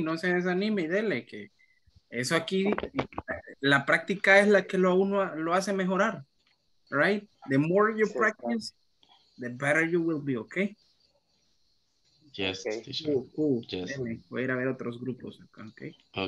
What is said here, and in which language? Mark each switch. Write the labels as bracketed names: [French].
[Spanish] No se desanime y dele que eso aquí, la práctica es la que lo hace mejorar. [English] Right? The more you practice, the better you will be, okay? Yes. Okay. Cool. Yes. [Spanish] Voy a ver otros grupos acá, ¿ok?